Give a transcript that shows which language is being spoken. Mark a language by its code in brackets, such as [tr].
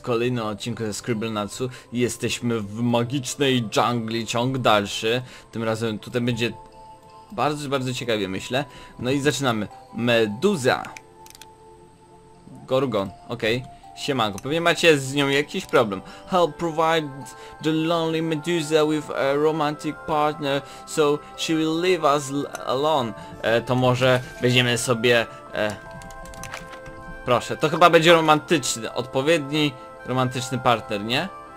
[pl] Kolejny odcinek ze Scribblenautsu. Jesteśmy w magicznej dżungli, ciąg dalszy. Tym razem tutaj będzie bardzo, bardzo ciekawie, myślę. No i zaczynamy. Meduza. Gorgon, okej. Siemanko, pewnie macie z nią jakiś problem. [en] Help provide the lonely Medusa with a romantic partner, so she will leave us alone. [pl] To może weźmiemy sobie... Proszę, to chyba będzie romantyczny, odpowiedni romantyczny partner, nie?